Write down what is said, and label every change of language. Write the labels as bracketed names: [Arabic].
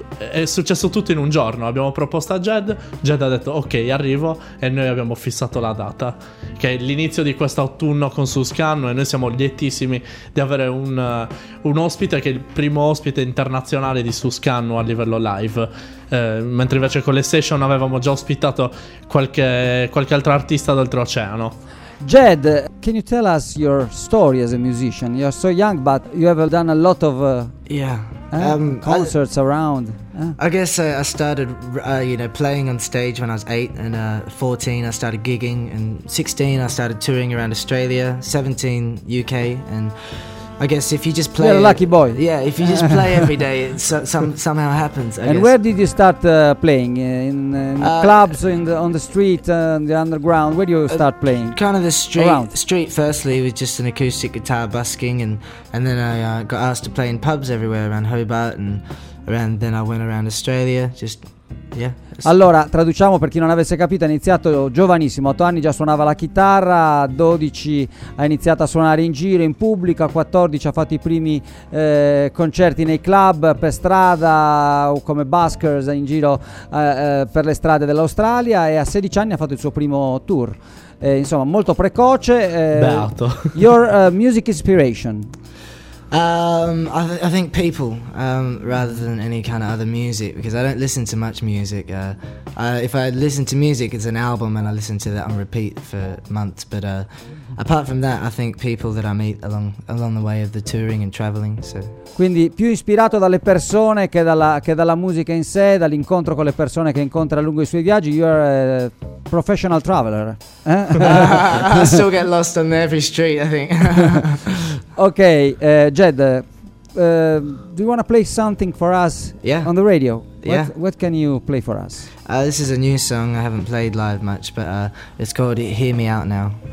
[Italian] È successo tutto in un giorno, abbiamo proposto a Jed, Jed ha detto ok, arrivo, e noi abbiamo fissato la data, che è l'inizio di questo autunno con Suscannu, e noi siamo lietissimi di avere un ospite che è il primo ospite internazionale di Suscannu a livello live. Mentre invece con le session avevamo già ospitato qualche altro artista d'oltreoceano. [English] Jed, can you tell us your story as a musician? You're so young, but you have done a lot of concerts around. I guess I started playing on stage when I was 8, and 14 I started gigging, and 16 I started touring around Australia, 17 UK, and I guess if you just play, you're a lucky boy. Yeah, if you just play every day, it somehow happens. And where did you start playing? In clubs, on the street, the underground? Where do you start playing? Kind of the street. Around. Street, firstly, with just an acoustic guitar, busking, and then I got asked to play in pubs everywhere around Hobart, and around. Then I went around Australia, just. Yeah. [Italian] Allora, traduciamo per chi non avesse capito: ha iniziato giovanissimo, 8 anni già suonava la chitarra, a 12 ha iniziato a suonare in giro, in pubblico, a 14 ha fatto i primi concerti nei club, per strada, o come buskers in giro per le strade dell'Australia, e a 16 anni ha fatto il suo primo tour. Insomma, molto precoce. Beato. [English] Your music inspiration? I think people, rather than any kind of other music, because I don't listen to much music. If I listen to music, it's an album, and I listen to that on repeat for months. But apart from that, I think people that I meet along the way of the touring and traveling. So. [Italian] Quindi più ispirato dalle persone che dalla musica in sé, dall'incontro con le persone che incontra lungo i suoi viaggi. [English] You are a professional traveler. I still get lost on every street, I think. Ok, Jed, do you want to play something for us on the radio? Yeah. What can you play for us? This is a new song, I haven't played live much, but it's called Hear Me Out Now.